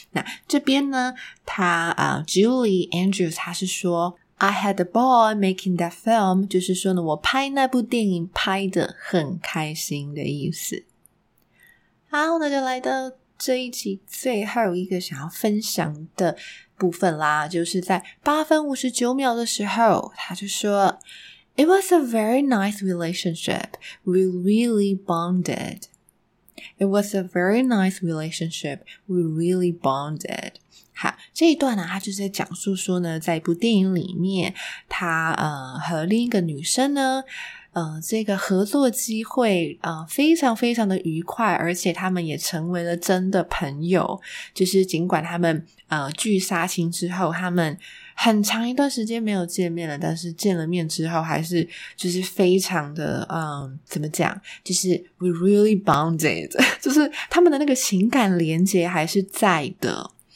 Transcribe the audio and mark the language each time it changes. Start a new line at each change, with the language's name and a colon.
Chinese: 那这边呢他Julie Andrews 他是说
English: I had the ball making that film，
Chinese: 就是说呢我拍那部电影拍得很开心的意思。好，那就来到这一集最后一个想要分享的部分啦，就是在8分59秒的时候他就说
English: It was a very nice relationship. We really bonded. It was a very nice relationship. We really bonded.
Chinese: 好，这一段呢他就在讲述说呢，在一部电影里面他和另一个女生呢这个合作机会非常非常的愉快，而且他们也成为了真的朋友，就是尽管他们聚杀青之后他们很长一段时间没有见面了，但是见了面之后还是就是非常的怎么讲，就是
English: we really bonded，
Chinese: 就是他们的那个情感连结还是在的。